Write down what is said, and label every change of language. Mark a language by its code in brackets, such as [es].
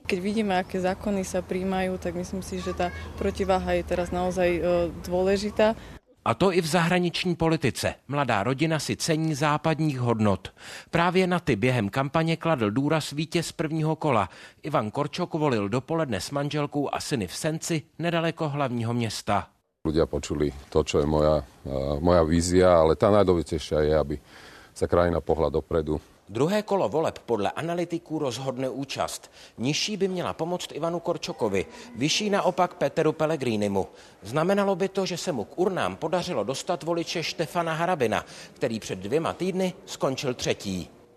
[sk] Keď vidíme, jaké zákony se přijímají, tak myslím si, že ta protiváha je teraz naozaj důležitá. [cs] A to i v zahraniční politice. Mladá rodina si cení západních hodnot. Právě na ty během kampaně kladl důraz vítěz prvního kola. Ivan Korčok volil dopoledne s manželkou a syny v Senci, nedaleko hlavního města. [sk] Ľudia počuli to, čo je moja vízia, ale tá najdôležitejšia je, aby sa krajina pohla dopredu. [cs] Druhé kolo voleb podle analytiků rozhodne účast. Nižší by měla pomoct Ivanu Korčokovi, vyšší naopak Peteru Pellegrinimu. Znamenalo by to, že se mu k urnám podařilo dostat voliče Štefana Harabina, který před 2 týdny skončil třetí.